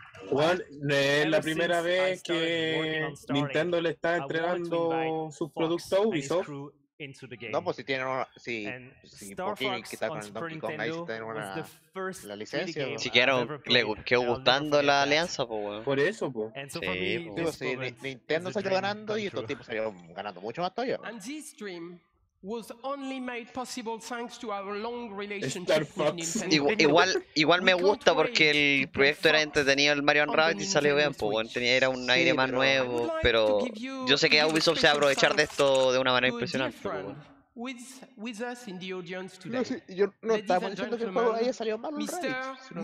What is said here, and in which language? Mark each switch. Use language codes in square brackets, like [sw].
[es] Bueno, es la primera vez que Nintendo le está entregando su producto a Ubisoft. No, pues si tiene una. Si. Por fin quitar con el Donkey Kong ahí, si tiene una. La licencia. Si quieren, le quedó gustando la alianza, pues, weón. Por eso, pues. Sí, digo, si Nintendo salió ganando y estos tipos salieron ganando mucho más todavía. [en] And this dream. Was only made possible thanks to our long relationship with Nintendo. [es] Igual me gusta porque el proyecto era entretenido, el Mario & Rabbids, y salió bien, pues bueno, tenía, era un aire más nuevo, pero yo sé que Ubisoft se va a aprovechar de esto de una manera impresionante. Pero bueno. [en] With us in the audience today. [es] No, si, yo no estaba diciendo que el juego haya salido mal, Mr.